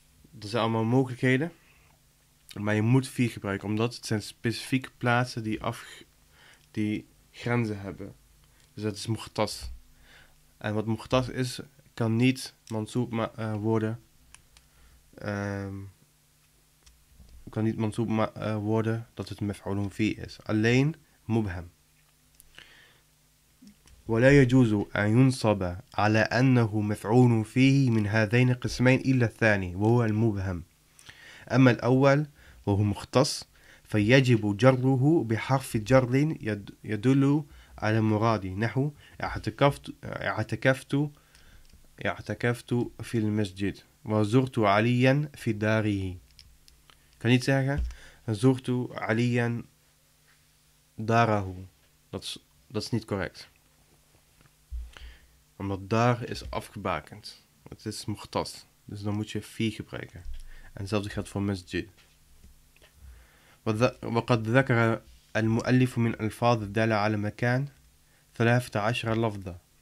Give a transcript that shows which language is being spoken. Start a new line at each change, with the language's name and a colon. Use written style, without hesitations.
Dutch: Dat zijn allemaal mogelijkheden. Maar je moet 4 gebruiken, omdat het zijn specifieke plaatsen die die grenzen hebben. Dus dat is Mughtas. En wat Mughtas is, kan niet mansoep worden. Kan niet mansoep worden dat het mef'ulun fi is. Alleen mubham.
Arabic: ولا يجوز أن ينصب على أنه مفعول فيه من هذين القسمين إلا الثاني وهو المبهم أما الأول وهو مختص فيجب جره بحرف جر يدل على مراده نحو اعتكفت في المسجد وزرت عليا في داره كان يتساها زرت عليا داره
English: that's not correct
Dutch: omdat daar is afgebakend. Het is mochtas. Dus dan moet je 4 gebruiken. En hetzelfde geldt voor masjid.
Arabic: وقد ذكر المؤلف من الفاظ الدالة على مكان 13 لفظة.